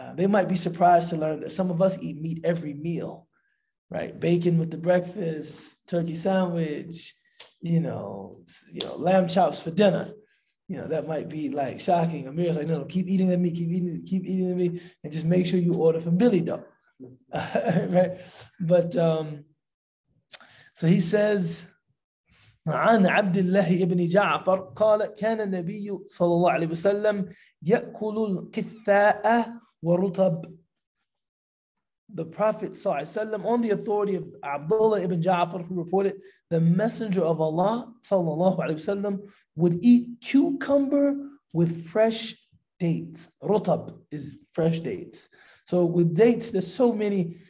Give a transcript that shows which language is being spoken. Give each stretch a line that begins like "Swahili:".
English: they might be surprised to learn that some of us eat meat every meal, right? Bacon with the breakfast, turkey sandwich, you know, lamb chops for dinner. You know, that might be like shocking. Amir's like, no, keep eating the meat, keep eating the meat, and just make sure you order from Billy Dough. Right? But so he says,
Arabic: عن عبد الله ابن جعفر قال كان النبي صلى الله عليه وسلم يأكل القثاء ورطب.
English: The Prophet
Arabic: صلى الله عليه وسلم,
English: on the authority of Abdullah ibn Ja'far, who reported, the Messenger of Allah صلى الله عليه وسلم would eat cucumber with fresh dates. Rutab is fresh dates. So with dates, there's so many.